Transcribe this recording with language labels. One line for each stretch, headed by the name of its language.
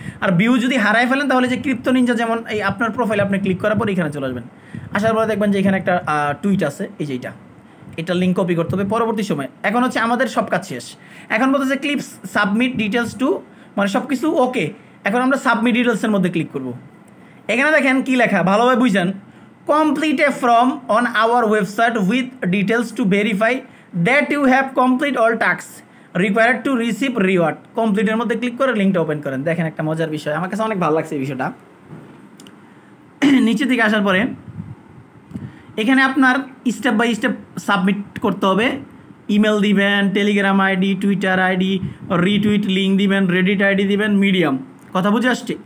Bangla: আর view যদি হারাই ফেলেন তাহলে যে ক্রিপ্টো নিনজা যেমন এই আপনার প্রোফাইল আপনি ক্লিক করার পর এখানে চলে আসবেন, আসার পরে দেখবেন যে এখানে একটা টুইট আছে, এই যে এটা লিঙ্ক কপি করতে হবে পরবর্তী সময়ে। এখন হচ্ছে আমাদের সব কাজ শেষ, এখন বলতে হচ্ছে ক্লিপস সাবমিট ডিটেলস টু, মানে সব কিছু ওকে, এখন আমরা সাবমিট ডিটেলসের মধ্যে ক্লিক করব। এখানে দেখেন কী লেখা, ভালোভাবে বুঝেন,
English: complete a form on our website with details to verify that you have complete all tasks required to receive reward.
Bangla: Complete এর মধ্যে ক্লিক করে লিংকটা ওপেন করেন। দেখেন একটা মজার বিষয়, আমার কাছে অনেক ভালো লাগছে এই বিষয়টা। নিচে দিকে আসার পরে এখানে আপনার স্টেপ বাই স্টেপ সাবমিট করতে হবে। ইমেল দিবেন, Telegram ID, Twitter ID, retweet link দিবেন, রেডিট আইডি দিবেন, মিডিয়াম। কথা বুঝে আসছে?